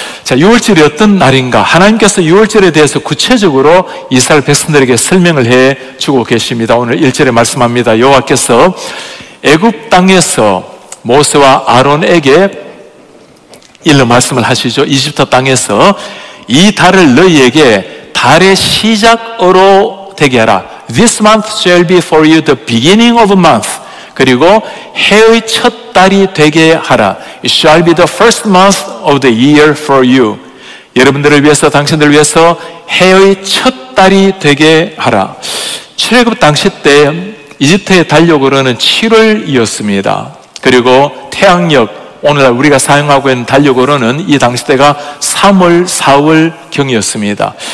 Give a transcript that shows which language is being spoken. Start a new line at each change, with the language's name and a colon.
Korean: 자, 유월절이 어떤 날인가? 하나님께서 유월절에 대해서 구체적으로 이스라엘 백성들에게 설명을 해주고 계십니다. 오늘 1절에 말씀합니다. 여호와께서 애굽 땅에서 모세와 아론에게 일러 말씀을 하시죠. 이집트 땅에서 이 달을 너희에게 달의 시작으로 되게 하라.
English: This month shall be for you the beginning of a month.
Korean: 그리고 해의 첫 달이 되게 하라.
English: It shall be the first month of the year for you.
Korean: 여러분들을 위해서, 당신들을 위해서 해의 첫 달이 되게 하라. 출애굽 당시 때 이집트의 달력으로는 7월이었습니다. 그리고 태양력, 오늘날 우리가 사용하고 있는 달력으로는 이 당시 때가 3월, 4월 경이었습니다.